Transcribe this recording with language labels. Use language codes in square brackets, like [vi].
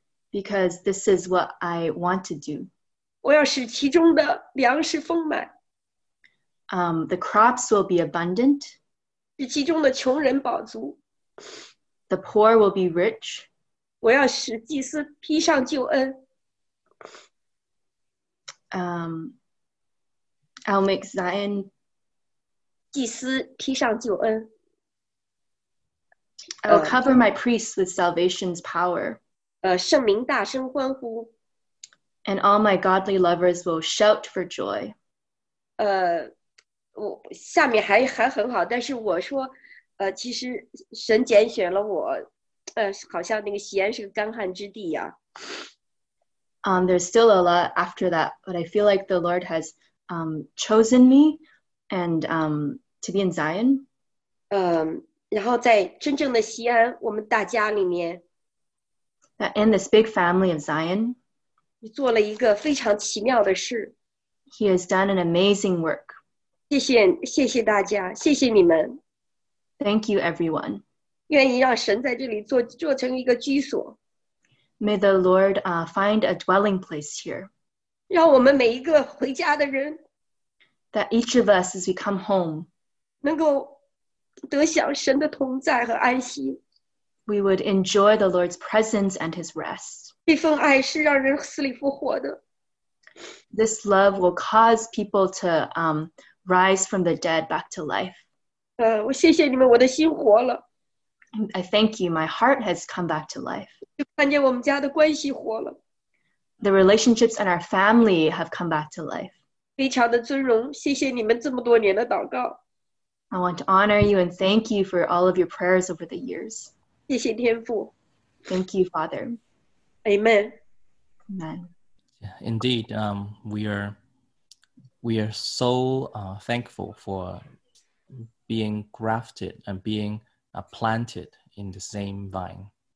[en] Because this is what I want to do. [zh] 我要使其中的粮食丰满。 [en] The crops will be abundant. [zh] 使其中的穷人饱足。 [en] The poor will be rich. [zh] 我要使祭司披上救恩。 [en] I'll make Zion [zh] 祭司披上救恩。 [en] I'll cover my priests with salvation's power. [zh] 圣民大声欢呼。 [en] And all my godly lovers will shout for joy. [zh] 我下面还很好，但是我说，其实神拣选了我，好像那个锡安是个干旱之地呀。 [en] There's still a lot after that, but I feel like the Lord has. Chosen me and to be in Zion. [zh] 然后在真正的锡安，我们大家里面 [en] that in this big family of Zion, [zh] 做了一个非常奇妙的事。 [en] He has done an amazing work. [zh] 谢谢大家，谢谢你们。 [en] Thank you, everyone. [zh] 愿意让神在这里做成一个居所。 [en] May the Lord find a dwelling place here. [zh] 让我们每一个回家的人 [en] ，That each of us as we come home， [zh] 能够得享神的同在和安息 [en] we would enjoy the Lord's presence and his rest. [zh] 这份爱是让人死里复活的。 [en] This love will cause people to rise from the dead back to life. [zh] 我谢谢你们，我的心活了。 [en] I thank you, my heart has come back to life. [zh] 就看见我们家的关系活了。 The [en] relationships in our family have come back to life. [zh] 非常的尊荣，谢谢你们这么多年的祷告。 [en] I want to honor you and thank you for all of your prayers over the years. [zh] 谢谢天父。Thank [en] you, Father. Amen. Amen. Indeed, we are so thankful for being grafted and being planted in the same vine.